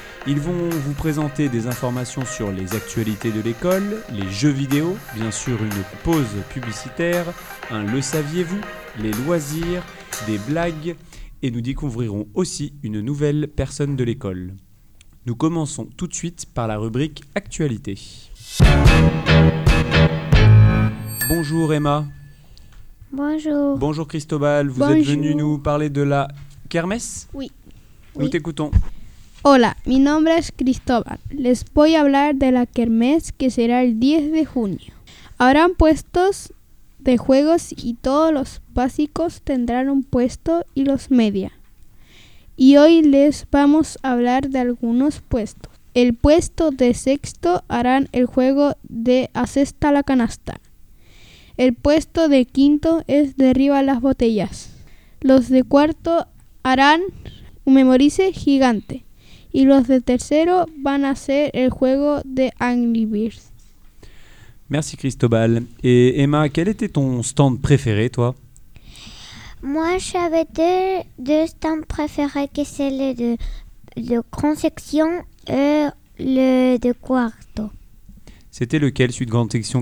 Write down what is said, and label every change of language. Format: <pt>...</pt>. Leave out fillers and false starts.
<fr>Ils vont vous présenter des informations sur les actualités de l'école, les jeux vidéo, bien sûr une pause publicitaire, un « Le saviez-vous ?», les loisirs, des blagues, et nous découvrirons aussi une nouvelle personne de l'école. Nous commençons tout de suite par la rubrique « Actualité ». Bonjour Emma. Bonjour. Bonjour Cristobal, vous Bonjour. Êtes venu nous parler de la kermesse ? Oui. Nous t'écoutons.</fr> <es>Hola, mi nombre es Cristóbal. Les voy a hablar de la kermés que será el 10 de junio. Habrán puestos de juegos y todos los básicos tendrán un puesto y los media. Y hoy les vamos a hablar de algunos puestos. El puesto de sexto harán el juego de asesta la canasta. El puesto de quinto es derriba las botellas. Los de cuarto harán un memorice gigante. Y los de tercero van a hacer el juego de Angry Birds.</es> <fr>Merci Cristobal. Et Emma, quel était ton stand préféré, toi? Moi, j'avais deux stands préférés, qui c'est le de grande section et le de quarto. C'était lequel, celui de grande section?</fr>